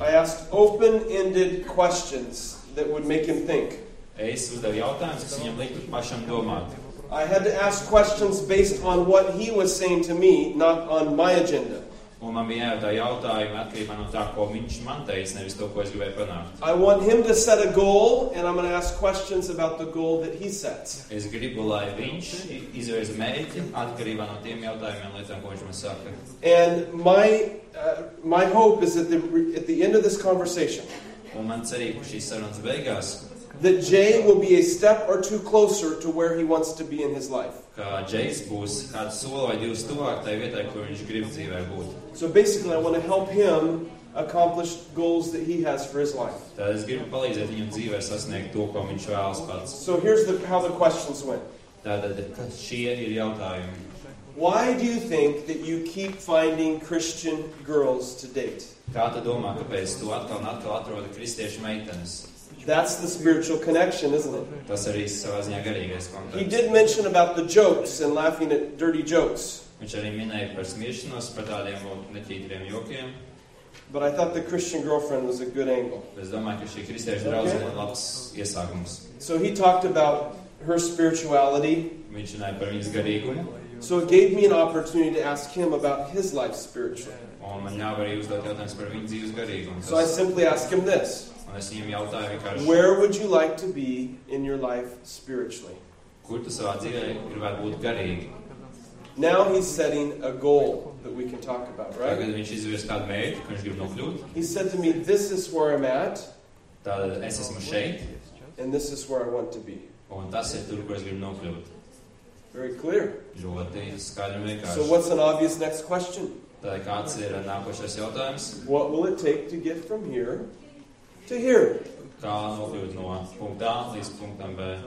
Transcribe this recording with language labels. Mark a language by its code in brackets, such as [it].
[en] I asked open-ended questions that would make him think. [lv] Es uzdevu jautājumus, kas viņam liktu pašam domāt. [en] I had to ask questions based on what he was saying to me, not on my agenda. [lv] Un man bija tā jautājuma atkarībā no tā, ko viņš man teica, nevis to, ko es gribēju panākt. [en] I want him to set a goal, and I'm going to ask questions about the goal that he sets. [lv] Es gribu, lai viņš izvirza mērķi atkarībā no tiem jautājumiem, lietām, ko viņš man saka. [en] And my hope is that at the end of this conversation, [lv] un man cerība šīs sarunas beigās, [en] that Jay will be a step or two closer to where he wants to be in his life. [lv] Ka Jays būs kāds soli vai divi tuvāk tai vietai, kur viņš grib dzīvē būt. [en] So basically I want to help him accomplish goals that he has for his life. [lv] Tad es gribu palīdzēt viņam dzīvē sasniegt to, ko viņš vēlas pats. [en] So here's how the questions went. [lv] Tad šie ir jautājumi. [en] Why do you think that you keep finding Christian girls to date? [lv] Kā tu domā, kāpēc tu atkal un atkal atrodi kristiešu meitenes? [en] That's the spiritual connection, isn't it? [lv] Tas arī savā ziņā garīgais kontakts. [en] He did mention about the jokes and laughing at dirty jokes. [lv] Viņš arī minēja par smiešanos, par tādiem neķītriem jokiem. [en] But I thought the Christian girlfriend was a good angle. [lv] Es domāju, ka šī kristieša drauze ir labs iesākums. [en] So he talked about her spirituality. [lv] Viņš minēja par viņas garīgumu. [en] So it gave me an opportunity to ask him about his life spiritually. [lv] Un man ļāva arī uzdot jautājumus par viņas dzīves garīgumu. [en] So I simply asked him this. [lv] Es viņam jautāju, [en] where would you like to be in your life spiritually? [lv] Kur tu savā dzīvē gribētu būt garīgi? [en] Now he's setting a goal that we can talk about, right? [lv] Tagad viņš izvirs kādu mērķi, kur viņš grib nokļūt. [en] He said to me, this is where I'm at. [lv] Tad es esmu šeit. [en] And this is where I want to be. [lv] Un tas ir tur, kur es gribu nokļūt. [en] Very clear. [lv] Ļoti skaidri vienkārši. [en] So what's an obvious next question? [lv] Tad kāds ir nākošais jautājums? [en] What will it take to get from here to here. [lv] Kā nokļūt no punktā līdz punktam B.